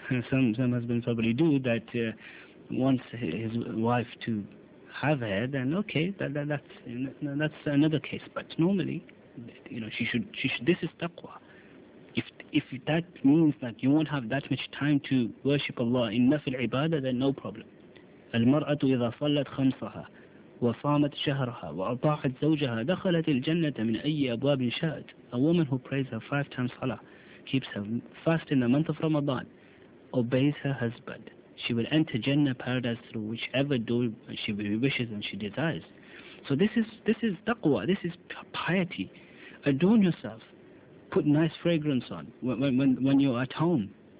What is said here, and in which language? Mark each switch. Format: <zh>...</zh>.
<en>Some husbands probably do that, wants his wife to have her, then okay, that's another case. But normally, you know, she should, this is taqwa. If that means that you won't have that much time to worship Allah in nafil ibadah, then no problem.</en> <ar>المرأة إذا صلت خمسها وصامت شهرها وأطاعت زوجها دخلت الجنة من أي أبواب شاءت.</ar> <en>A woman who prays her five times salah, keeps her fast in the month of Ramadan, obeys her husband, she will enter Jannah, paradise, through whichever door she wishes and she desires. So this is taqwa, this is piety. Adorn yourself, put nice fragrance on when you're at home.</en>